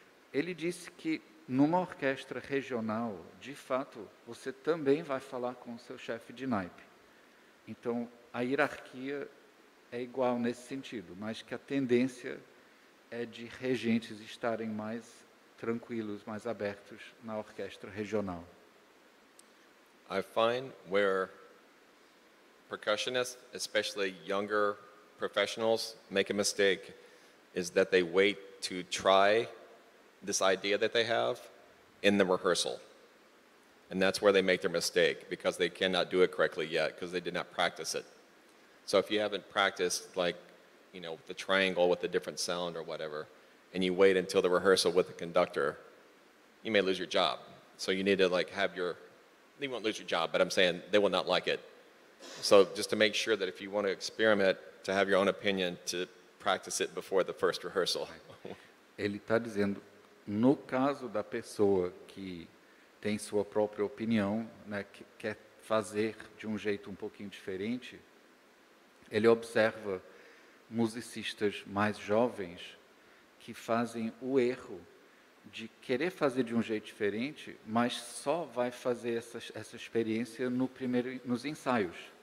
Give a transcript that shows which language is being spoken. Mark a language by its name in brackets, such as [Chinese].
[Portuguese] Ele disse que, numa orquestra regional, de fato, você também vai falar com o seu chefe de naipe. Então, a hierarquia é igual nesse sentido, mas que a tendência é de regentes estarem mais tranquilos, mais abertos na orquestra regional. [English] I find where... percussionists, especially younger professionals, make a mistake is that they wait to try this idea that they have in the rehearsal. And that's where they make their mistake, because they cannot do it correctly yet because they did not practice it. So if you haven't practiced, like, you know, the triangle with a different sound or whatever, and you wait until the rehearsal with the conductor, you may lose your job. So you need to, like, have your, you won't lose your job, but I'm saying they will not like it. So just to make sure that if you want to experiment, to have your own opinion, to practice it before the first rehearsal. [Portuguese] Ele está dizendo, no caso da pessoa que tem sua própria opinião, né, que quer fazer de um jeito um pouquinho diferente, ele observa musicistas mais jovens que fazem o erro de querer fazer de um jeito diferente, mas só vai fazer essa experiência no primeiro, nos ensaios.